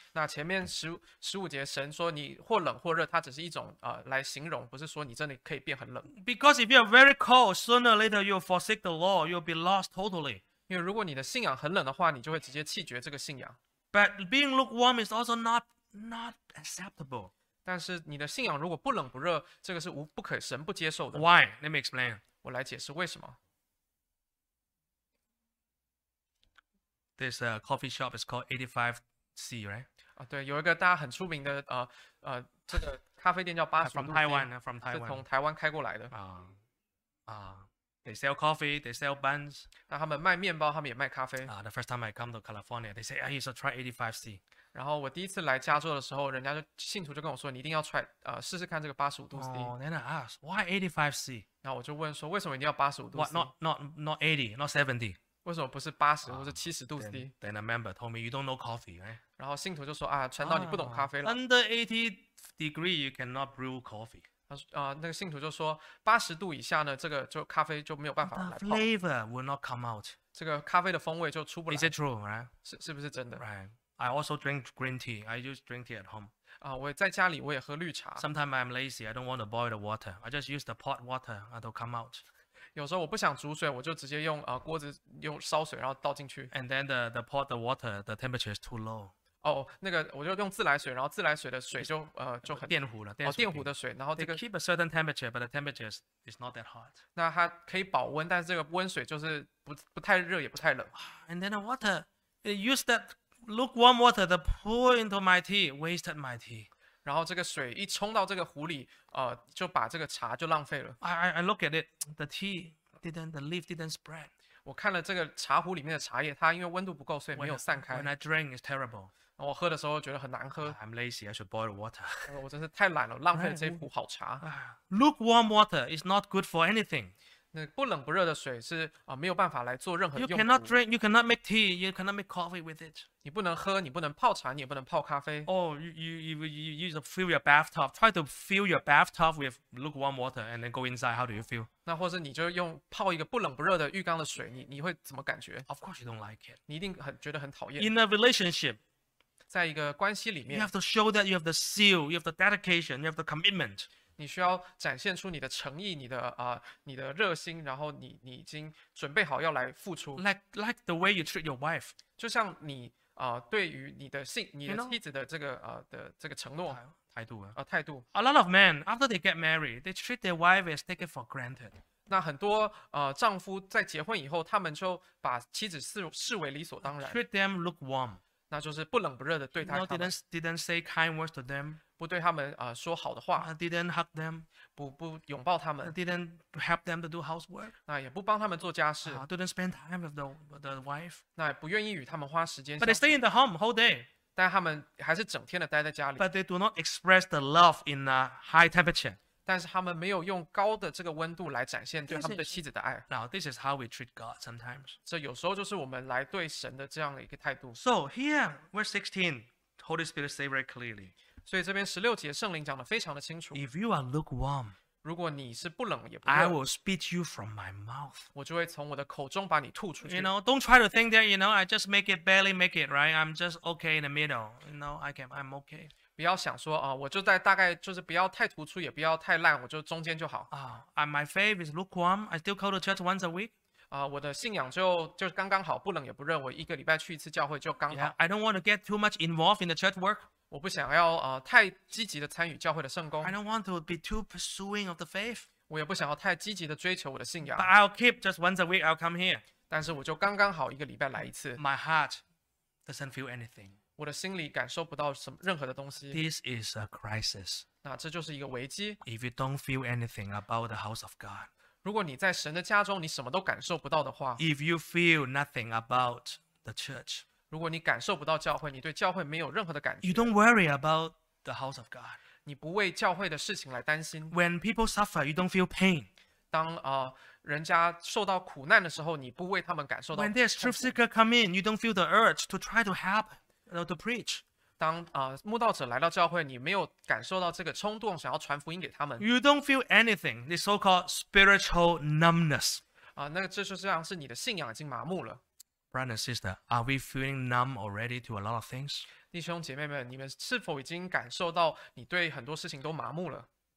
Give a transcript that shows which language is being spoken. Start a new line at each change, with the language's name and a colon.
Chinese: 那前面十五节，神说你或冷或热，它只是一种来形容，不是说你真的可以变很冷。
English: Because if you're very cold, sooner or later you'll forsake the Lord, you'll be lost totally.
Chinese: 因为如果你的信仰很冷的话，你就会直接弃绝这个信仰。
English: But being lukewarm is also not acceptable.
Chinese: 但是你的信仰如果不冷不热，这个是神不接受的。
English: Why? Let me explain.
Chinese: 我来解释为什么。
English: This coffee shop is called 85C, right?
Chinese: 对，有一个大家很出名的这个咖啡店叫85度 C,
English: from Taiwan.
Chinese: 是从台湾开过来的。
English: They sell coffee, they sell buns.
Chinese: 那他们卖面包，他们也卖咖啡。
English: The first time I come to California, they say, "I used to try 85C."
Chinese: 然后我第一次来加州的时候，人家就信徒就跟我说，你一定要 try 试试看这个85度 C.
English: Oh, then I ask, "Why 85C?"
Chinese: 然后我就问说，为什么一定要85度 C?
English: What? Not 80, not 70.
Chinese: 为什么不是80或者70度 C?
English: Then a member told me, "You don't know coffee, right?"
Chinese: 然后信徒就说啊，传道你不懂咖啡了。
English: Under 80 degree, you cannot brew coffee.
Chinese: 那个信徒就说八十度以下呢，这个就咖啡就没有办法来泡。
English: The flavor will not come out.
Chinese: 这个咖啡的风味就出不来。
English: Is it true, right?
Chinese: 是不是真的
English: ？Right. I also drink green tea. I just drink tea at home.
Chinese: 我在家里我也喝绿茶。
English: Sometimes I'm lazy. I don't want to boil the water. I just use the pot water. It'll come out.
Chinese: 有时候我不想煮水，我就直接用锅子用烧水，然后倒进去。
English: And then the pot the water, the temperature is too low.
Chinese: 那个我就用自来水，然后自来水的水就很电壶了，电壶的水，然后这个
English: they keep a certain temperature, but the temperature is not that hot.
Chinese: 那它可以保温，但是这个温水就是不太热也不太冷。
English: And then the water, they use that lukewarm water to pour into my tea, wasted my tea.
Chinese: 然后这个水一冲到这个壶里，就把这个茶就浪费了。
English: I look at it, the leaf didn't spread.
Chinese: 我看了这个茶壶里面的茶叶，它因为温度不够，所以没有散开。
English: When I drink, it's terrible.
Chinese: 我喝的时候觉得很难喝。
English: I'm lazy. I should boil the water.
Chinese: 我真是太懒了，浪费了这壶好茶。
English: Lukewarm water is not good for anything.
Chinese: 那不冷不热的水是没有办法来做任何用途。
English: You cannot drink, you cannot make tea, you cannot make coffee with it.
Chinese: 你不能喝，你不能泡茶，你也不能泡咖啡。
English: Oh, you just fill your bathtub. Try to fill your bathtub with lukewarm water and then go inside. How do you feel?
Chinese: 那或是你就用泡一个不冷不热的浴缸的水，你会怎么感觉
English: ？Of course, you don't like it.
Chinese: 你一定很觉得很讨厌。
English: In a relationship,
Chinese: 在一个关系里面
English: ，you have to show that you have the seal, you have the dedication, you have the commitment.
Chinese: 你需要展现出你的诚意，你的热心，然后你已经准备好要来付出。
English: Like the way you treat your wife，
Chinese: 就像你对于你的性你的妻子的这个
English: you know?
Chinese: 的这个承诺态度态度。
English: A lot of men after they get married, they treat their wife as take it for granted。
Chinese: 那很多丈夫在结婚以后，他们就把妻子视为理所当然。
English: Treat them lukewarm，
Chinese: 那就是不冷不热的对待他们。
English: No, didn't say kind words to them。
Chinese: 不对他们说好的话
English: ，didn't hug them，
Chinese: 不拥抱他们
English: ，didn't help them to do housework，
Chinese: 那也不帮他们做家事
English: ，didn't spend time with the wife，
Chinese: 那也不愿意与他们花时间
English: ，but they stay in the home whole day，
Chinese: 但他们还是整天的待在家里
English: ，but they do not express the love in a high temperature，
Chinese: 但是他们没有用高的这个温度来展现对他们对妻子的爱
English: ，now this is how we treat God sometimes，
Chinese: 这有时候就是我们来对神的这样的一个态度
English: ，so here verse 16， Holy Spirit say very clearly。
Chinese: 所以这边十六节圣灵讲得非常的清楚。
English: If you are lukewarm，
Chinese: 如果你是不冷也不热
English: ，I will spit you from my mouth，
Chinese: 我就会从我的口中把你吐出去。
English: You know, don't try to think that you know I just make it barely make it right. I'm just okay in the middle. You know, I'm okay.
Chinese: 不要想说我就在大概就是不要太突出也不要太烂，我就中间就好。
English: My faith is lukewarm. I still go to church once a week.
Chinese: 我的信仰就刚刚好，不冷也不热，我一个礼拜去一次教会就刚好。
English: Yeah, I don't want to get too much involved in the church work.
Chinese: 我不想要太积极的参与教会的圣工。
English: I don't want to be too pursuing of the faith.
Chinese: 我也不想要太积极的追求我的信仰。
English: But I'll keep just once a week. I'll come here.
Chinese: 但是我就刚刚好一个礼拜来一次。
English: My heart doesn't feel anything.
Chinese: 我的心里感受不到什么任何的东西。
English: This is a crisis.
Chinese: 那这就是一个危机。
English: If you don't feel anything about the house of God,
Chinese: 如果你在神的家中你什么都感受不到的话。
English: If you feel nothing about the church.
Chinese: 如果你感受不到教会，你对教会没有任何的感觉。
English: You don't worry about the house of God.
Chinese: 你不为教会的事情来担心。
English: When people suffer, you don't feel pain.
Chinese: 当人家受到苦难的时候，你不为他们感受到痛苦。
English: When there's truth seeker come in, you don't feel the urge to try to help or to preach.
Chinese: 当慕道者来到教会，你没有感受到这个冲动想要传福音给他们。
English: You don't feel anything. This so-called spiritual numbness.
Chinese: 那这就像是你的信仰已经麻木了。
English: Brother and sister, are we feeling numb already to a lot of things?
Chinese: 弟兄姐妹们，你们是否已经感受到你对很多事情都麻木了？